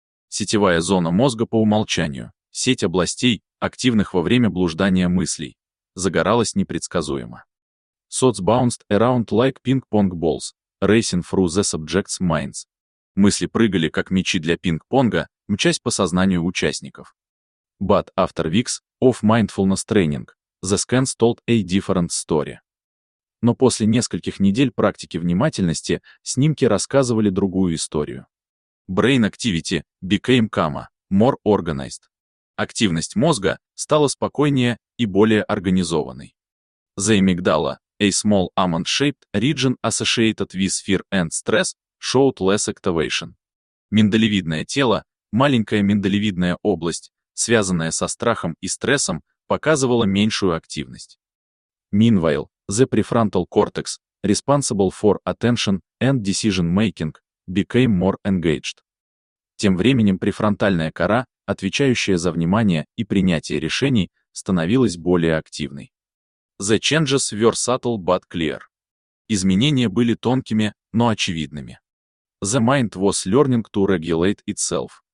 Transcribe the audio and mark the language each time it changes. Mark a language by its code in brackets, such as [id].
[ru] Сетевая зона мозга по умолчанию, сеть областей, активных во время блуждания мыслей, загоралась непредсказуемо. [en] Thoughts bounced around like ping-pong balls, racing through the subject's minds. [ru] Мысли прыгали, как мячи для пинг-понга, мчась по сознанию участников. [en] But after weeks of mindfulness training, the scans told a different story. [ru] Но после нескольких недель практики внимательности, снимки рассказывали другую историю. [en] Brain activity became calmer, more organized. [ru] Активность мозга стала спокойнее и более организованной. [en] The amygdala, a small almond-shaped region associated with fear and stress, showed less activation. [ru] Миндалевидное тело, маленькая миндалевидная область, связанная со страхом и стрессом, показывала меньшую активность. [en] Meanwhile, the prefrontal cortex, responsible for attention and decision making, became more engaged. [ru] Тем временем префронтальная кора, отвечающая за внимание и принятие решений, становилась более активной. [en] The changes were subtle but clear. [ru] Изменения были тонкими, но очевидными. [en] The mind was learning to regulate itself.